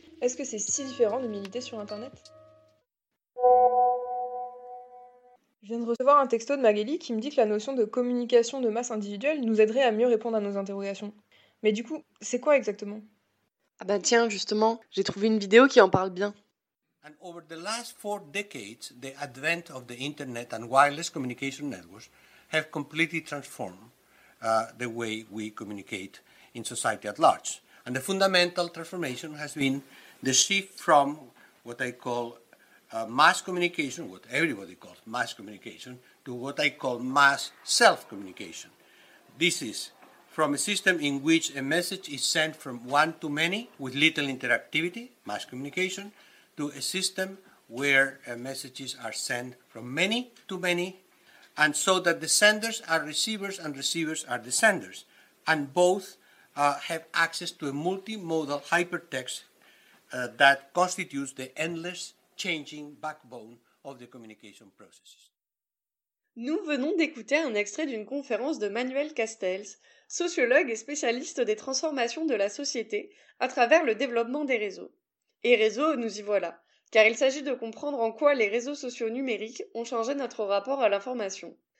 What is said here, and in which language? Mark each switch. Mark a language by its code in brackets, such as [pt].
[fr] Est-ce que c'est si différent de militer sur Internet? Je viens de recevoir un texto de Magali qui me dit que la notion de communication de masse individuelle nous aiderait à mieux répondre à nos interrogations. Mais du coup, c'est quoi exactement? Ah bah tiens, justement, j'ai trouvé une vidéo qui en parle bien. [en] And over the last four decades, the advent of the internet and wireless communication networks have completely transformed the way we communicate in society at large. And the fundamental transformation has been the shift from what I call mass communication, what everybody calls mass communication, to what I call mass self-communication. This is from a system in which a message is sent from one to many with little interactivity, mass communication, to a system where messages are sent from many to many, and so that the senders are receivers and receivers are the senders, and both have access to a multimodal hypertext that constitutes the endless changing backbone of the communication processes. [fr] Nous venons d'écouter un extrait d'une conférence de Manuel Castells, sociologue et spécialiste des transformations de la société à travers le développement des réseaux. Et réseau, nous y voilà, car il s'agit de comprendre en quoi les réseaux sociaux numériques ont changé notre rapport à l'information.